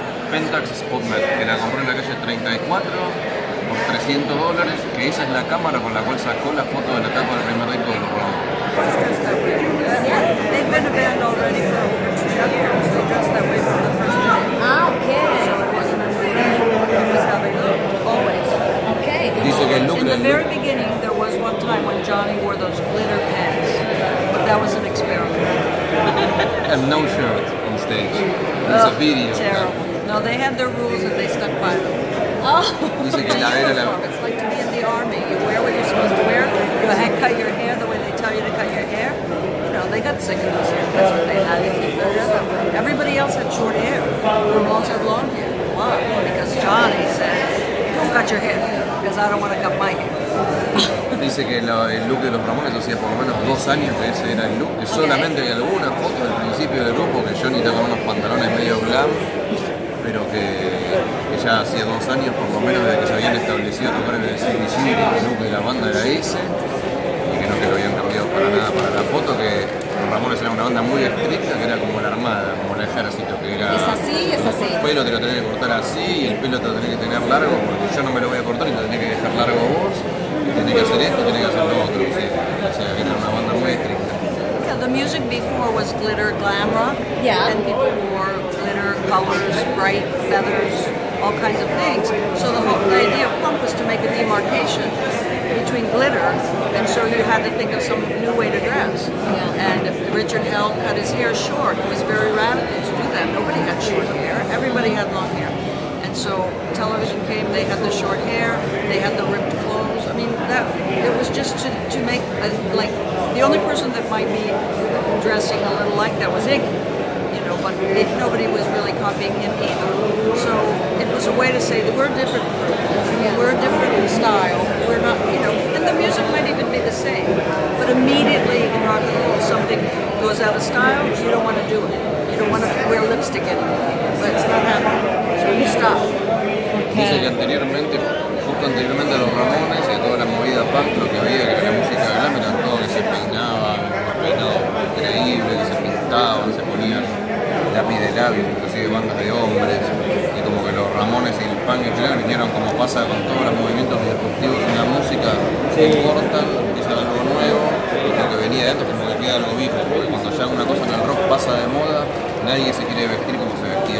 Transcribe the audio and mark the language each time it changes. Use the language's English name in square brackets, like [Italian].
[Spanish] Pentax Spotmatic, que la compré en la calle 34 por $300, que esa es la cámara con la cual sacó la foto de la tapa del primer disco de los Ramones. [English] They've been a band already for over 2 years. They dressed that way from the first day. Ah, okay. So it wasn't a dream. It was how they looked always. Okay. [Spanish] Dice que el look [English] in the look. Very beginning, there was one time when Johnny wore those glitter pants, but that was an experiment. And no shirt. Stage. It's a video. Terrible. No, they had their rules and they stuck by them. Oh, it's like to be in the army. You wear what you're supposed to wear. You cut your hair the way they tell you to cut your hair. No, they got sick of those haircuts that they had. Everybody else had short hair. Ramones had long hair. Why? Because Johnny said, don't cut your hair because I don't want to cut my hair. [Spanish] Dice que el look de los Ramones hacía por lo menos 2 años que ese era el look. Que solamente había alguna foto del principio del grupo, que Johnny estaba con unos pantalones medio glam, pero que ya hacía 2 años por lo menos desde que se habían establecido tocar en el CDG, que el look de la banda era ese, y que no que lo habían cambiado para nada para la foto, que los Ramones era una banda muy estricta, que era como la armada, como el ejército, que era... Es así. El pelo te lo tenés que cortar así, y el pelo te lo tenés que tener largo, porque yo no me lo voy a cortar y lo tenés que dejar largo vos. Tiene que hacer esto, tiene que hacer lo otro, sí. O sea, era una banda muy estricta. [English] Yeah, the music before was glitter glam rock. Yeah. And people wore glitter colors, bright feathers, all kinds of things. So the idea of Pump was to make a demarcation between glitter, and so you had to think of some new way to dress. Yeah. And Richard Hell cut his hair short. It was very radical to do that. Nobody had short hair. Everybody had long hair. And so television came, they had the short hair, they had the ripped clothes. I mean, that it was just to make, a, like, the only person that might be dressing a little like that was Iggy, you know, but it, nobody was really copying him either. So it was a way to say that we're different. We're different in style. We're not, you know, and the music might even be the same. But immediately in rock and roll, something goes out of style, you don't want to do it. You don't want to wear lipstick anymore. But it's not happening. [Spanish] Dice que anteriormente, justo anteriormente a los Ramones y a toda la movida punk, lo que había, que era la música de glam, eran todos que se peinaban, los peinados increíbles, que se pintaban, se ponían lápiz de labios, inclusive bandas de hombres, y como que los Ramones y el punk en general vinieron, como pasa con todos los movimientos disruptivos en la música, se cortan, empiezan algo nuevo, y lo que venía de esto como que queda algo viejo, porque cuando ya una cosa en el rock pasa de moda, nadie se quiere vestir como se vestía.